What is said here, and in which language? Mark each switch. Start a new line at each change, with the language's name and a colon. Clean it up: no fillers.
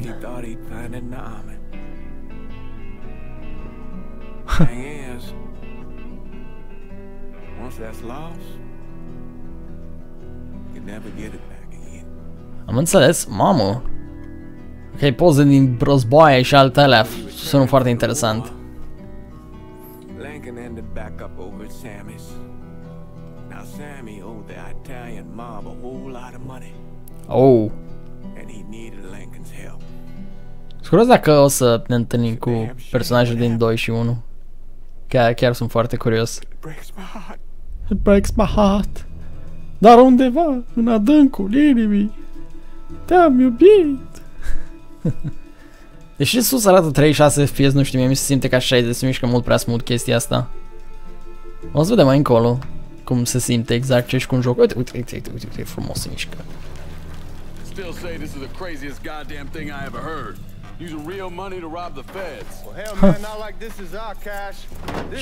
English: Like he thought he'd find it in the army. Thing is, once that's lost, you never get it back again.
Romanian: Am înțeles, mamă. Ok, poze din războaie și altele sunt foarte interesant.
English: Lincoln ended back up over at Sammy's. Sammy owed the Italian mob a whole lot of money. Oh. And he needed Lincoln's help.
Romanian: Scuze dacă o să ne întâlnim cu personajul din 2 și 1. Chiar sunt foarte curios.
English: It breaks my heart.
Romanian: Dar undeva, în adâncul inimii, te-am iubit. Deși sus arată 36 FPS, nu știu, mie mi se simte ca 60, se mișcă mult prea smooth chestia asta. O să vedem mai încolo cum se simte exact ce ești cu un joc. Uite, frumos se mișcă.
English: Still say this is the craziest goddamn thing I ever heard. Using real money to rob the feds. Well, hell man, not like this is our cash.